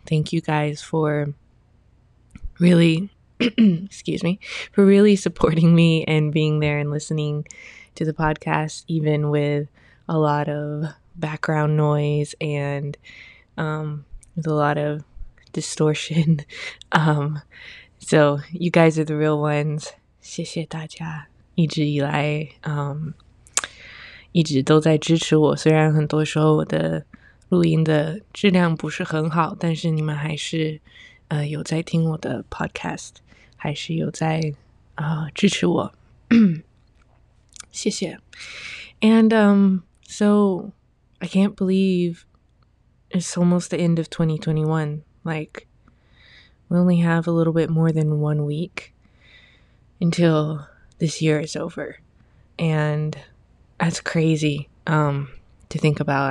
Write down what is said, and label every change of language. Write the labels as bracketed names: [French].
[English] Thank you guys for really, excuse me, for really supporting me and being there and listening to the podcast, even with a lot of background noise and with a lot of distortion. So you guys are the real ones. [Chinese] 谢谢大家, 一直以来, 一直都在支持我，虽然很多时候我的录音的质量不是很好，但是你们还是 有在听我的podcast， 还是有在 支持我。谢谢。 [English] And so I can't believe it's almost the end of 2021. Like, we only have a little bit more than 1 week until this year is over. And that's crazy to think about.